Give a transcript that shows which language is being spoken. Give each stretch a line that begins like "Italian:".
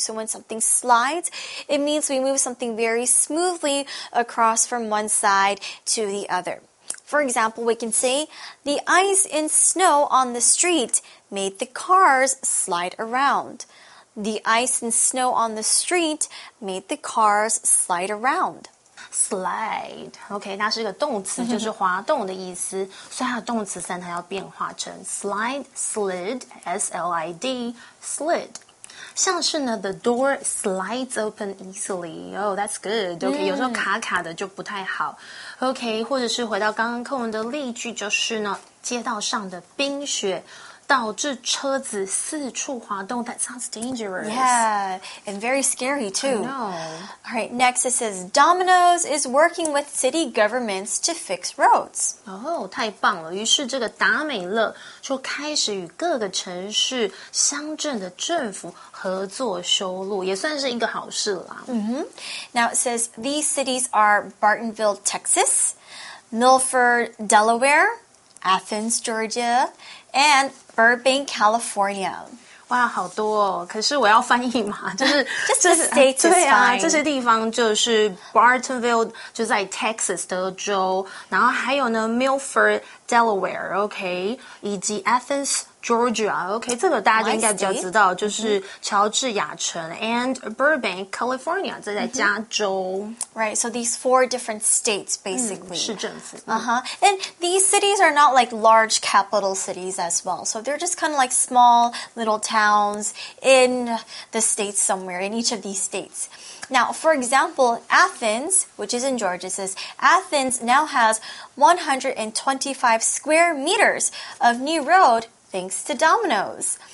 English: So when something slides, it means we move something very smoothly across from one side to the other. For example, we can say, the ice and snow on the street made the cars slide around. The ice and snow on the street made the cars slide around. Slide.
Chinese: OK, 它是一个动词就是滑动的意思。所以它的动词三它要变化成 slide, slid, S-L-I-D, slid. 像是呢
English: the door slides open easily. Oh, that's good.
Chinese: OK,、mm. 有时候卡卡的就不太好。OK, 或者是回到刚刚课文的例句就是呢街道上的冰雪导致车子四处滑动。
English: That sounds dangerous. Yeah, and very scary too. I know. All right, next it says, Domino's is working with city governments to fix roads.
Chinese: Oh, 太棒了。于是这个达美乐就开始与各个城市乡镇的政府合作修路，也算是一个好事啦。
English: Mm-hmm. Now it says, these cities are Bartonville, Texas, Milford, Delaware, Athens, Georgia,And Burbank, California.
Chinese: 哇，好多哦！可是我要翻译嘛，这些地方就是 Bartonville， 就在 Texas 德州，然后还有呢 Milford, Delaware, OK， 以及 Athens, Georgia, OK， 这个大家应该比较知道，就是乔治亚城 and Burbank, California， 这在加州。
English: Right, so these four different states, basically.
Chinese: 市政府。
English: Uh-huh. And these cities are not like large capital cities as well. So they're just kind of like small little towns in the states somewhere, in each of these states. Now, for example, Athens, which is in Georgia, says Athens now has 125 square meters of new road thanks to Domino's.